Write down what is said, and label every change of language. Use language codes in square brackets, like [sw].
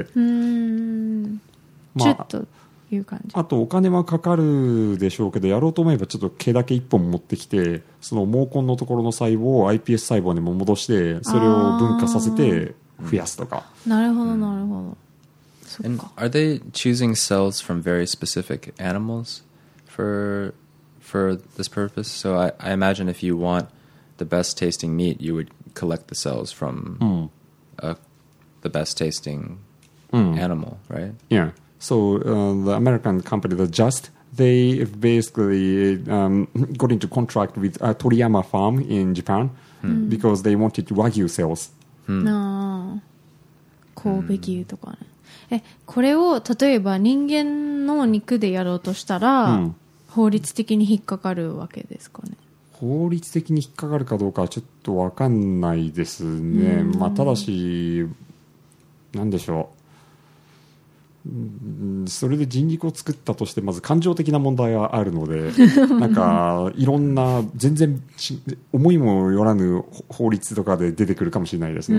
[ja] うーん、まあ、ちょっという感じ。あとお金はかかるでしょうけど、やろうと思えばちょっと毛だけ一本持ってきて、その毛根のところの細胞を iPS 細胞にも戻して、それを分化させて増やすとか。なるほどなるほど、うん、そっか。 [en] Are they choosing cells from very specific animals for this purpose? So I imagine if you want the best tasting meat, you would collect the cells from、 mm. The best tasting、animal, right? Yeah. So the American company, the Just, they basically got into contract with Toriyama Farm in Japan、because they wanted Wagyu cells. No. [ja] 神戸牛とかね。これを例えば人間の肉でやろうとしたら、法律的に引っかかるわけですかね。法律的に引っかかるかどうかはちょっと分かんないですね。まあ、ただし何でしょう、それで人肉を作ったとして、まず感情的な問題があるので、なんかいろんな全然思いもよらぬ法律とかで出てくるかもしれないですね。